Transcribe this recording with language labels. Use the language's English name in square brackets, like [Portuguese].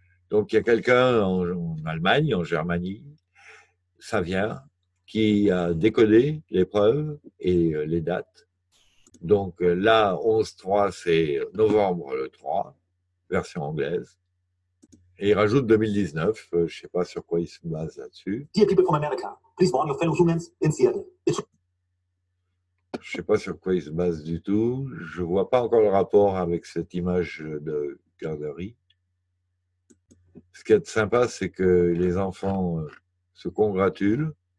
[French] Donc, il y a quelqu'un en Allemagne, en Germanie, ça vient, qui a décodé les preuves et les dates. Donc, là, 11-3, c'est novembre le 3, version anglaise. Et il rajoute 2019, je ne sais pas sur quoi il se base là-dessus. [English] Dear people from America, please warn your fellow humans in Seattle. [French] Je ne sais pas sur quoi il se base du tout. Je ne vois pas encore le rapport avec cette image de garderie. Ce qui est sympa, c'est que les enfants se congratulent.